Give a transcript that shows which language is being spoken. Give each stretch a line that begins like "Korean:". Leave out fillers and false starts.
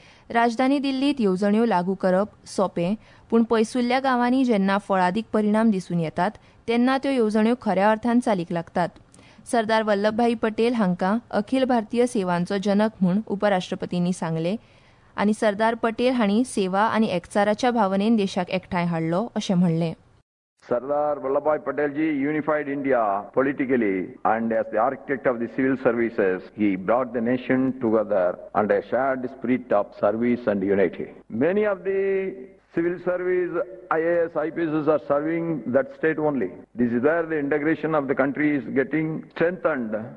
Goan Konkani: राजधानी दिल्लींत येवजण्यो लागू करप सोपें, पूण पयसुल्ल्या गांवांनी जेन्ना फळादीक परिणाम दिसून येतात तेन्ना त्यो येवजण्यो खऱ्या अर्थान चालीक लागतात. सरदार वल्लभभाई पटेल हांकां अखिल भारतीय सेवांचो जनक म्हूण उपराष्ट्रपतींनी सांगले आनी सरदार पटेल हांणी सेवा आनी एकचाराच्या भावनेन देशाक एकठांय हाडलो अशें म्हणले.
English: Sardar Vallabhbhai Patel ji unified India politically and as the architect of the civil services he brought the nation together and a shared spirit of service and unity. Many of the civil service IAS IPSs are serving that state only. This is where the integration of the country is getting strengthened.